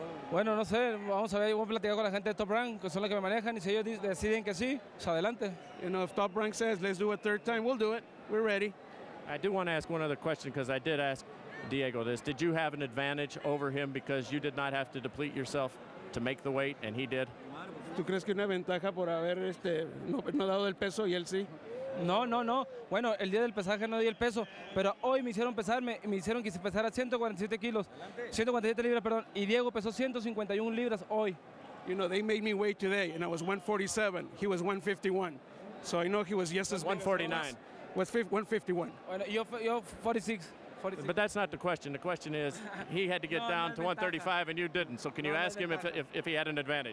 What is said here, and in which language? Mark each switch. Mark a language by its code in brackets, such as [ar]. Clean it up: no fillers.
[es] Bueno, no sé, vamos a ver, voy a platicar con la gente de Top Rank, que son los que me manejan, y si ellos deciden que sí, pues adelante. [en] You know, if Top Rank says, let's do a third time, we'll do it. We're ready. I do want to ask one other question, because I did ask Diego this. Did you have an advantage over him because you did not have to deplete yourself to make the weight, and he did? [es] ¿Tú crees que una ventaja por haber no dado el peso y él sí? No. Bueno, el día del pesaje no di el peso, pero hoy me hicieron pesarme y me hicieron que se pesara 147 kilos, 147 libras, perdón, y Diego pesó 151 libras hoy. [en] You know, they made me weigh today, and I was 147. He was 151. So I know he was just as 149. Was 151. [es] Bueno, yo 46. [en] But that's not the question. The question is, he had to get down to 135, and you didn't. So can you ask him if he had an advantage?